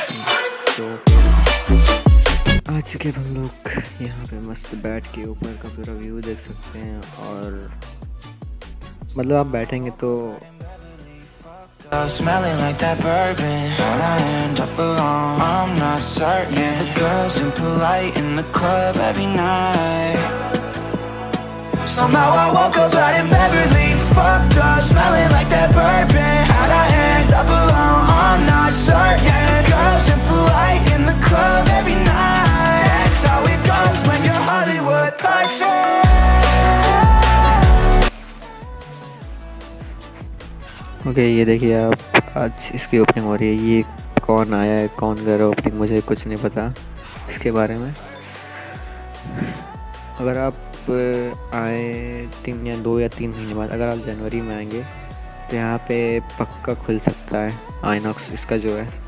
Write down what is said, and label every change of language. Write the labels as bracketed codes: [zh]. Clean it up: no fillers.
[hi] आ चुके हम लोग यहाँ पे मस्त बैठ के, ऊपर का पूरा व्यू देख सकते हैं, और मतलब आप बैठेंगे तो [en] smelling like that bourbon, but I end up alone. I'm not certain. The girls impolite in the club every night. Somehow I woke up out in Beverly, fucked up, smelling like that bourbon. How'd I end up alone? I'm not certain. Girls and polite in the club every night. That's how it goes when you're Hollywood perfect. [hi] Okay ये देखिए आप, आज इसकी opening हो रही है। ये कौन आया है, कौन कर रहा है ओपनिंग, मुझे कुछ नहीं पता इसके बारे में। अगर आप आए 3 या 2 या 3 महीने बाद, अगर आप जनवरी में आएंगे तो यहाँ पे पक्का खुल सकता है आइनॉक्स इसका जो है।